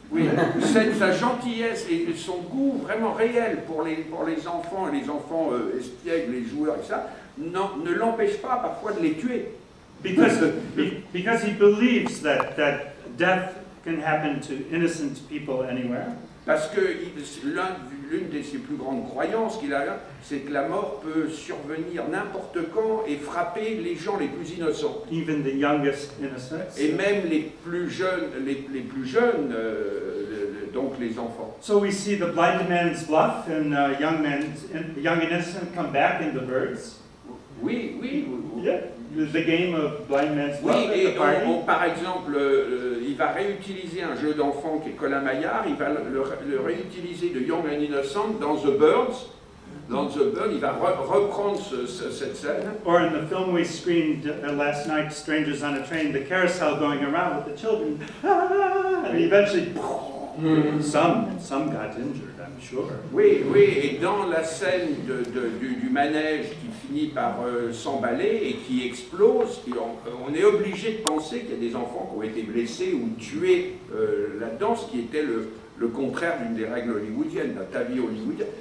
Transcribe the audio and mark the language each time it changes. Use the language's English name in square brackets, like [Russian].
[French] Oui, sa gentillesse et son goût vraiment réel pour les enfants, et les enfants espiègles, les joueurs et ça, ne l'empêche pas parfois de les tuer. [English] Because he believes that death can happen to innocent people anywhere. [French] Parce que l'une de ses plus grandes croyances qu'il a, c'est que la mort peut survenir n'importe quand et frapper les gens les plus innocents. [English] Even the youngest innocents. [French] Et même les plus jeunes, donc les enfants. [English] So we see the blind man's bluff and young innocent come back in the birds. [French] Oui. [English] Yeah. The game of blind man's bluff. [French] Oui, [English] at the party. [French] On, par exemple, il va réutiliser un jeu d'enfant qui est Colin Maillard, il va le réutiliser de Young and Innocent dans The Birds. dans The Burn, il va reprendre cette scène. [English] Or in the film we screened last night, Strangers on a Train, the carousel going around with the children, and eventually, some got injured. [French] Oui, oui, et dans la scène du manège qui finit par s'emballer et qui explose, on est obligé de penser qu'il y a des enfants qui ont été blessés ou tués là-dedans, ce qui était le contraire d'une des règles hollywoodiennes, d'un tabou hollywoodien.